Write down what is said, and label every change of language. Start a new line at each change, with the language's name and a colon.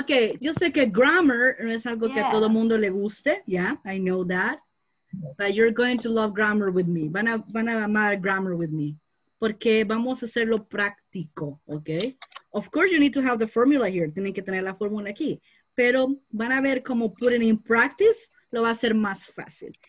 Spanish: Okay, yo sé que
English: grammar
Spanish: no es algo que a todo mundo le guste.
English: Yeah, I know that. But you're going to love grammar with me.
Spanish: Van a amar
English: grammar with me.
Spanish: Porque vamos a hacerlo práctico,
English: okay? Of course, you need to have the formula here.
Spanish: Tienen que tener la fórmula aquí. Pero van a ver cómo
English: put it in practice,
Spanish: lo va a hacer más fácil.